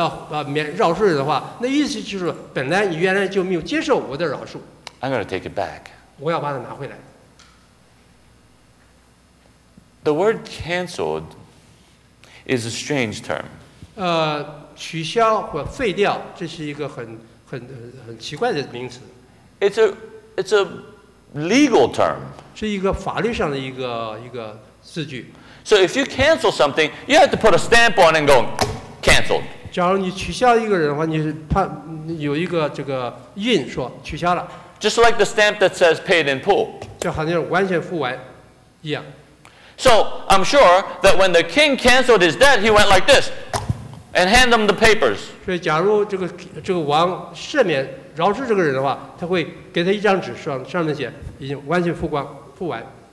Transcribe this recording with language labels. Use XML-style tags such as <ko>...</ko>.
<zh>假如以后你不愿意饶恕人的话, 那意思就是本来你原来就没有接受我的饶恕。</zh> <en>I'm going to take it back.</en> <zh>我要把它拿回来。</zh> <en>The word canceled is a strange term.</en> <zh>取消或废掉, 这是一个很奇怪的名词。</zh> <en>It's a legal term.</en> <zh>是一个法律上的一个字句。</zh> <en>So if you cancel something, you have to put a stamp on and go, canceled.</en> <zh>假如你取消一个人的话, 你有一个这个印说取消了。</zh> <en>Just like the stamp that says paid in full.</en> <zh>就好像完全付完一样。</zh> <en>So I'm sure that when the king canceled his debt, he went like this and handed him the papers.</en> <zh>所以假如这个王赦免饶恕这个人的话, 他会给他一张纸上面写已经完全付光付完。</zh>